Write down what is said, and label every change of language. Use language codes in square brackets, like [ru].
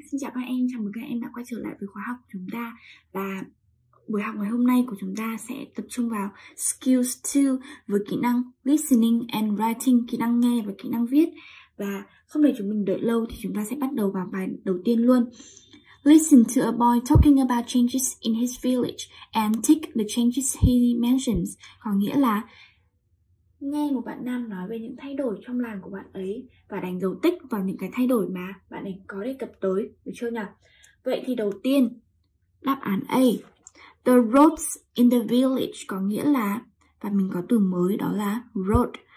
[vi] Xin chào các em, chào mừng các em đã quay trở lại với khóa học của chúng ta. Và buổi học ngày hôm nay của chúng ta sẽ tập trung vào Skills 2 với kỹ năng [en] Listening and Writing, [vi] kỹ năng nghe và kỹ năng viết. Và không để chúng mình đợi lâu thì chúng ta sẽ bắt đầu vào bài đầu tiên luôn. [en] Listen to a boy talking about changes in his village and take the changes he mentions. [vi] Có nghĩa là nghe một bạn nam nói về những thay đổi trong làng của bạn ấy và đánh dấu tích vào những cái thay đổi mà bạn ấy có đề cập tới, được chưa nhỉ? Vậy thì đầu tiên, đáp án A. [en] The roads in the village [vi] có nghĩa là, và mình có từ mới đó là road.